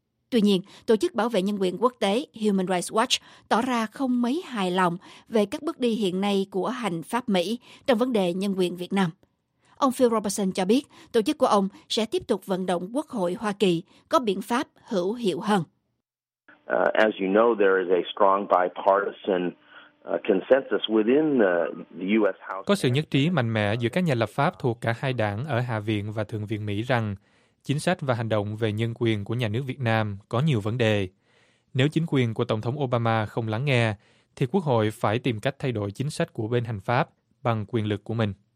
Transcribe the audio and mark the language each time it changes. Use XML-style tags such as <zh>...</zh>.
<vi>Tuy nhiên, Tổ chức Bảo vệ Nhân quyền Quốc tế Human Rights Watch tỏ ra không mấy hài lòng về các bước đi hiện nay của hành pháp Mỹ trong vấn đề nhân quyền Việt Nam. Ông Phil Robertson cho biết tổ chức của ông sẽ tiếp tục vận động Quốc hội Hoa Kỳ có biện pháp hữu hiệu hơn.</vi> <en>As you know, there is a strong bipartisan consensus within the U.S. House.</en> <vi>Có sự nhất trí mạnh mẽ giữa các nhà lập pháp thuộc cả hai đảng ở Hạ viện và Thượng viện Mỹ rằng chính sách và hành động về nhân quyền của nhà nước Việt Nam có nhiều vấn đề. Nếu chính quyền của Tổng thống Obama không lắng nghe, thì Quốc hội phải tìm cách thay đổi chính sách của bên hành pháp bằng quyền lực của mình.</vi>